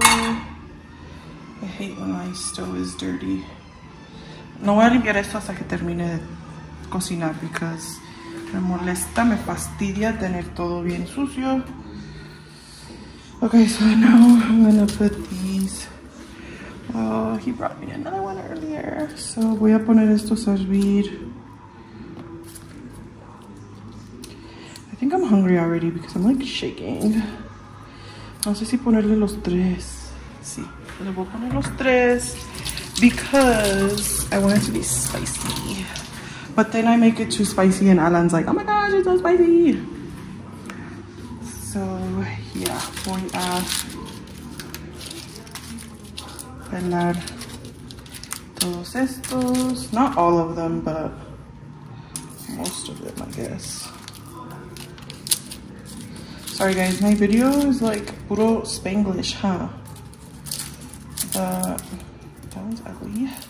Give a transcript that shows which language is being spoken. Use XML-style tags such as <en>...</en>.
<en>I hate when my stove is dirty.</en> <es>No voy a limpiar esto hasta que termine cocinar</es> <en>because</en> <es>me molesta, me fastidia tener todo bien sucio.</es> <en>Okay, so now I'm gonna put these. Oh, he brought me another one earlier.</en> <es>So voy a poner esto a servir.</es> <en>I think I'm hungry already because I'm like shaking.</en> <es>No sé si ponerle los tres. Sí, le voy a poner los tres</es> <en>because I want it to be spicy. But then I make it too spicy and Alan's like, oh my gosh, it's so spicy.</en> <es>So yeah, voy a pelar todos estos.</es> <en>Not all of them, but most of them, I guess. Sorry guys, my video is like</en> <es>puro</es> <en>Spanglish, huh? But that one's ugly.</en>